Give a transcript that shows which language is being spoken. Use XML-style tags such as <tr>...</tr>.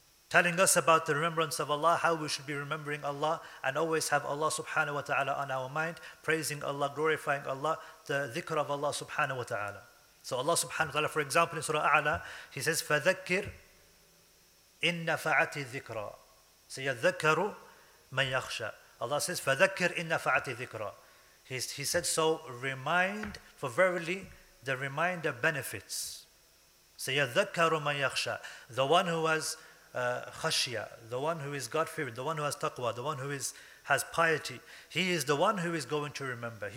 <en>Telling us about the remembrance of Allah, how we should be remembering Allah and always have Allah subhanahu wa ta'ala on our mind, praising Allah, glorifying Allah, the dhikr of Allah subhanahu wa ta'ala. So Allah subhanahu wa ta'ala, for example, in Surah A'la, He says,</en> <ar>فَذَكِّرْ إِنَّ فَعَتِ ذِكْرًا سَيَذَّكَّرُ مَنْ يَخْشَى.</ar> <en>Allah says,</en> <ar>فَذَكِّرْ إِنَّ فَعَتِ ذِكْرًا.</ar> <en>He said, so remind, for verily the reminder benefits.</en> <ar>سَيَذَّكَّرُ مَنْ يَخْشَى.</ar> <en>The one who has khashya, the one who is God-fearing, the one who has taqwa, the one who has piety, he is the one who is going to remember.</en>